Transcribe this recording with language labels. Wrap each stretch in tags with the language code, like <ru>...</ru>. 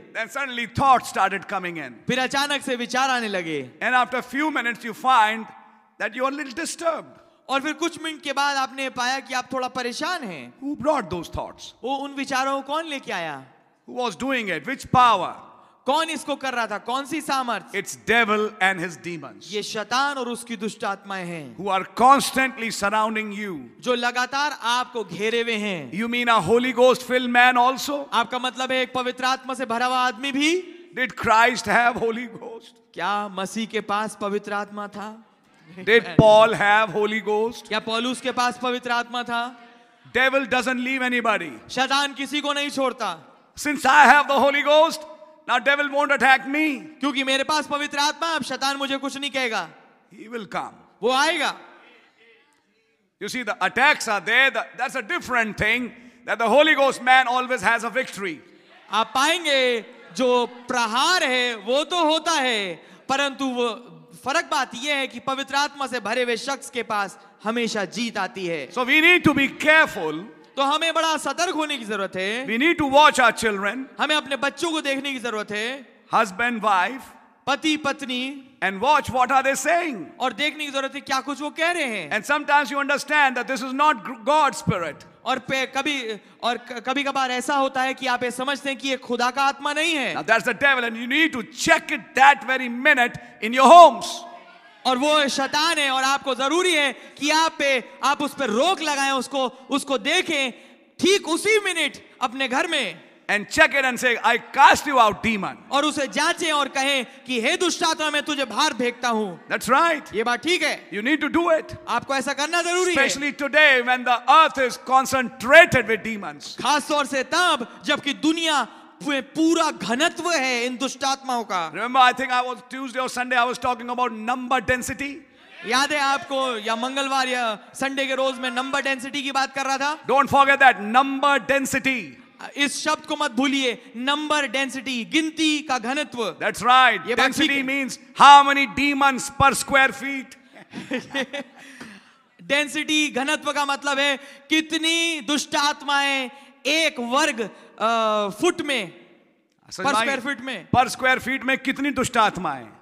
<en>Then suddenly thoughts started coming in.</en> <hi>फिर अचानक से विचार आने लगे.</hi> <en>And after a few minutes, you find that you are a little disturbed.</en> <hi>और फिर कुछ मिनट के बाद आपने पाया कि आप थोड़ा परेशान हैं.</hi> <en>Who brought those thoughts?</en> <hi>वो उन विचारों को कौन लेके आया?</hi> <en>Who was doing it? Which power?</en> <hi>कौन इसको कर रहा था? कौन सी सामर्थ?</hi> <en>It's devil and his demons.</en> <hi>ये शैतान और उसकी दुष्ट आत्माएं हैं.</hi> <en>Who are constantly surrounding you?</en> <hi>जो लगातार आपको घेरे हुए हैं.</hi> <en>You mean a Holy Ghost filled man also?</en> <hi>आपका मतलब है एक पवित्र आत्मा से भरा हुआ आदमी भी?</hi> <en>Did Christ have Holy Ghost?</en> <hi>क्या मसीह के पास पवित्र आत्मा था?</hi> <en>Did Paul have Holy Ghost?</en> <hi>क्या पौलुस के पास पवित्र आत्मा था?</hi> <en>Devil doesn't leave anybody.</en> <hi>शैतान किसी को नहीं छोड़ता.</hi> <en>Since I have the Holy Ghost, now devil won't attack me.</en> <hi>क्योंकि मेरे पास पवित्र आत्मा अब शैतान मुझे कुछ नहीं कहेगा.</hi> <en>He will come.</en> <hi>वो आएगा.</hi> <en>You see, the attacks are there. That's a different thing. That the Holy Ghost man always has a victory.</en> <hi>आप पाएंगे जो प्रहार है वो तो होता है, परंतु वो फरक बात यह है कि पवित्र आत्मा से भरे हुए शख्स के पास हमेशा जीत आती है.</hi> <en>So we need to be careful.</en> <hi>तो हमें बड़ा सतर्क होने की जरूरत है.</hi> <en>We need to watch our children.</en> <hi>हमें अपने बच्चों को देखने की जरूरत है.</hi> <en>Husband, wife.</en> <hi>पति पत्नी.</hi> <en>And watch what are they saying.</en> <hi>और देखने की जरूरत है क्या कुछ वो कह रहे हैं.</hi> <en>And sometimes you understand that this is not God's spirit.</en> <hi>और कभी कभार ऐसा होता है कि आप ये समझते हैं कि ये खुदा का आत्मा नहीं है.</hi> <en>Now that's the devil and you need to check it that very minute in your homes.</en> <hi>और वो शैतान है और आपको जरूरी है कि आप उस पर रोक लगाएं, उसको देखें ठीक उसी मिनट अपने घर में.</hi> <en>And check it and say, I cast you out, demon.</en> <hi>और उसे जांचें और कहें कि हे दुष्टात्मा मैं तुझे बाहर फेंकता हूँ.</hi> <en>That's right.</en> <hi>ये बात ठीक है.</hi> <en>You need to do it.</en> <hi>आपको ऐसा करना जरूरी है.</hi> <en>Especially today when the earth is concentrated with demons.</en> <hi>खासतौर से तब जबकि दुनिया पूरा घनत्व है इन दुष्टात्माओं का.</hi> <en>Remember, I think I was Tuesday or Sunday, I was talking about number density.</en> <hi>याद है आपको या मंगलवार या संडे के रोज में नंबर डेंसिटी की बात कर रहा था.</hi> <en>Don't forget that number density.</en> <hi>इस शब्द को मत भूलिए, नंबर डेंसिटी, गिनती का घनत्व.</hi> <en>That's right. Density means how many demons per square feet.</en> <hi>Density घनत्व का मतलब है कितनी दुष्ट आत्माएं एक वर्ग फुट में, पर स्क्वायर फीट में. पर स्क्वायर फीट में कितनी दुष्ट आत्माएं.</hi>